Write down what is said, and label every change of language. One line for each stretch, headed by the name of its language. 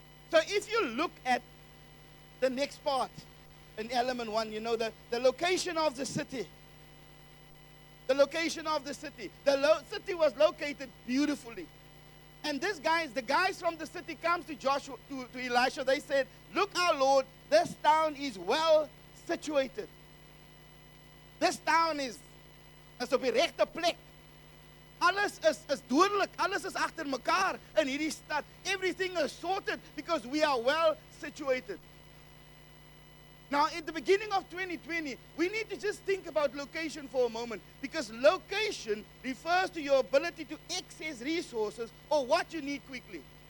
English: So if you look at the next part, in element one, you know, the location of the city. The location of the city. The city was located beautifully. And this guys, the guys from the city comes to Joshua, to Elisha. They said, look, our Lord, this town is well situated. This town is
Afrikaans: op die regte plek. Alles is dodelik. Alles is agter mekaar in hierdie stad.
English: Everything is sorted because we are well situated. Now, in the beginning of 2020, we need to just think about location for a moment, because location refers to your ability to access resources or what you need quickly.